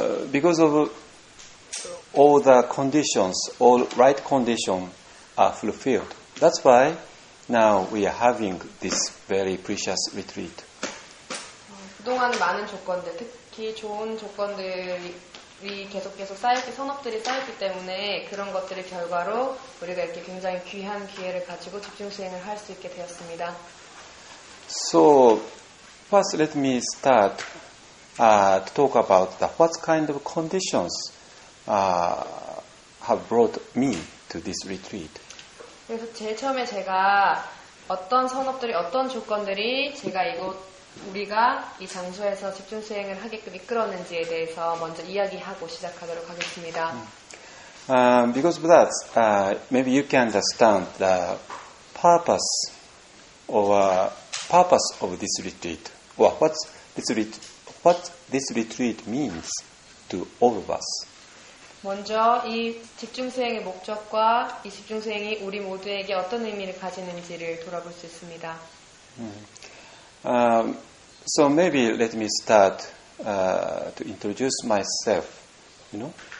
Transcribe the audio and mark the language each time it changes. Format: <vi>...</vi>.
<en>Because of all the conditions, all right conditions are fulfilled. That's why now we are having this very precious retreat.</en> <ko>그동안 많은 조건들, 특히 좋은 조건들이 계속 쌓였기, 선업들이 쌓였기 때문에 그런 것들의 결과로 우리가 이렇게 굉장히 귀한 기회를 가지고 집중 수행을 할 수 있게 되었습니다.</ko> <en>So, first let me start to talk about what kind of conditions have brought me to this retreat.</en> <ko>그래서 제일 처음에 제가 어떤 선업들이, 어떤 조건들이 제가 이곳, 우리가 이 장소에서 집중 수행을 하게끔 이끌었는지에 대해서 먼저 이야기하고 시작하도록 하겠습니다.</ko> <en>Because of that, maybe you can understand the purpose of this retreat, or what this retreat means to all of us.</en> <ko>먼저 이 집중 수행의 목적과 이 집중 수행이 우리 모두에게 어떤 의미를 가지는지를 돌아볼 수 있습니다.</ko> <en>So maybe let me start to introduce myself. You know?</en>